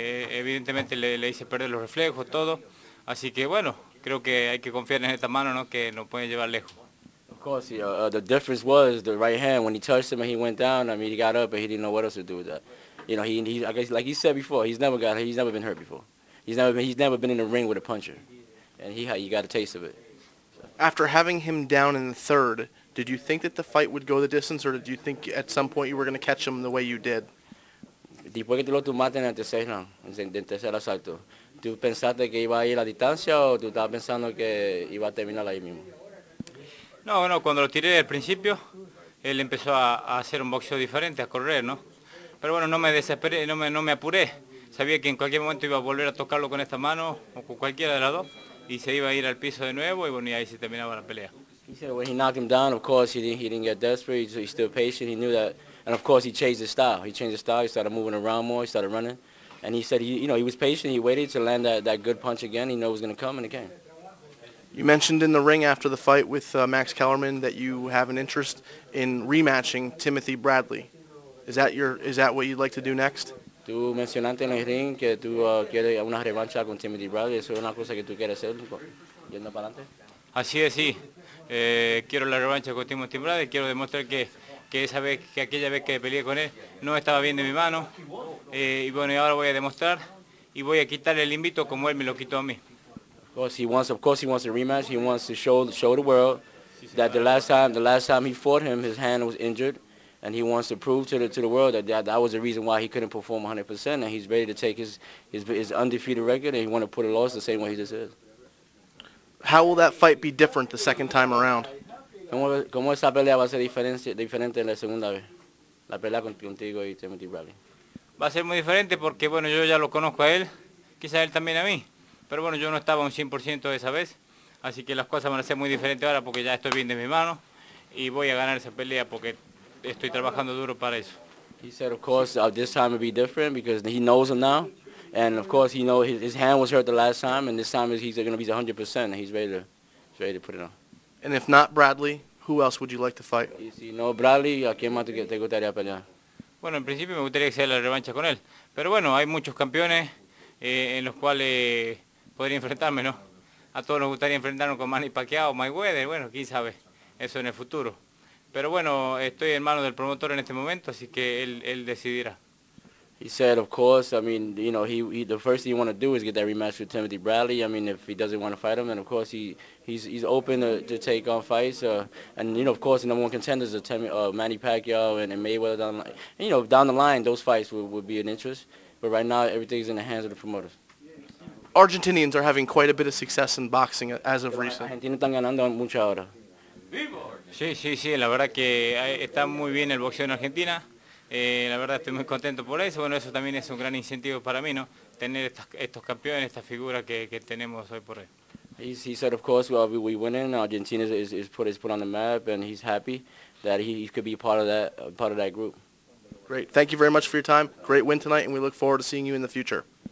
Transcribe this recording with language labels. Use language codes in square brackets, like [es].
[es] Evidentemente le hice perder los reflejos, todo. Así que bueno, creo que hay que confiar en esta mano, ¿no? Que nos puede llevar lejos. [en] Of course, the difference was the right hand. When he touched him and he went down, I mean, he got up and he didn't know what else to do with that. You know, he I guess, like he said before, he's never been hurt before. He's never been in a ring with a puncher. And he got a taste of it. After having him down in the third, did you think that the fight would go the distance or did you think at some point you were going to catch him the way you did? [es] Después que te lo tomaste en el tercer round, en el tercer asalto, ¿tú pensaste que iba a ir a distancia o tú estabas pensando que iba a terminar ahí mismo? No, bueno, cuando lo tiré al principio, él empezó a hacer un boxeo diferente, a correr, ¿no? Pero bueno, no me desesperé, no me apuré. Sabía que en cualquier momento iba a volver a tocarlo con esta mano o con cualquiera de las dos y se iba a ir al piso de nuevo y bueno, y ahí se terminaba la pelea. [en] He said when he knocked him down, of course, he didn't get desperate, he's still patient, he knew that. And of course, he changed his style, he started moving around more, he started running. And he said, he was patient, he waited to land that good punch again, he knew it was going to come, and it came. You mentioned in the ring after the fight with Max Kellerman that you have an interest in rematching Timothy Bradley. Is that what you'd like to do next? [es] Tú mencionaste en el ring que tú quieres una revancha con Timothy Bradley. ¿Eso es una cosa que tú quieres hacer yendo para adelante? Así es, sí. Quiero la revancha con Timothy Bradley. Quiero demostrar que aquella vez que peleé con él no estaba bien de mi mano. Y bueno, y ahora voy a demostrar y voy a quitar el invito como él me lo quitó a mí. [en] Of course he wants a rematch. He wants to show the world that the last time he fought him, his hand was injured, and he wants to prove to the world that was the reason why he couldn't perform 100%, and he's ready to take his undefeated record and he want to put a loss the same way he just is. How will that fight be different the second time around? [es] ¿Cómo esa pelea va a ser diferente la segunda vez? La pelea contigo y Timothy Bradley. Va a ser muy diferente porque bueno, yo ya lo conozco a él, quizás él también a mí. Pero bueno, yo no estaba un 100% de esa vez, así que las cosas van a ser muy diferentes ahora porque ya estoy bien de mi mano y voy a ganar esa pelea porque estoy trabajando duro para eso. [en] He said, of course, this time it'll be different because he knows him now, and of course, he knows his hand was hurt the last time, and this time he's going to be 100%, and he's ready to put it on. And if not Bradley, who else would you like to fight? [es] Y si no Bradley, ¿a quién más te gustaría pelear? Bueno, en principio me gustaría hacer la revancha con él, pero bueno, hay muchos campeones en los cuales podría enfrentarme, ¿no? A todos nos gustaría enfrentarnos con Manny Pacquiao, Mayweather, bueno, quién sabe, eso en el futuro. Pero bueno, estoy en manos del promotor en este momento, así que él decidirá. [en] He said, of course, I mean, you know, he the first thing he want to do is get that rematch with Timothy Bradley. I mean, if he doesn't want to fight him, then of course he's open to take on fights. And, you know, of course, the number one contenders are Manny Pacquiao and Mayweather. Down the line, those fights would be an interest. But right now, everything's in the hands of the promoters. Argentinians are having quite a bit of success in boxing as of recent. [es] Argentina están ganando mucho ahora. Sí, sí, sí, la verdad que está muy bien el boxeo en Argentina. La verdad estoy muy contento por eso. Bueno, eso también es un gran incentivo para mí, ¿no? Tener estos campeones, esta figura que tenemos hoy por hoy. [en] He said, of course, well, we winning. Argentina is put on the map, and he's happy that he could be part of that group. Great. Thank you very much for your time. Great win tonight, and we look forward to seeing you in the future.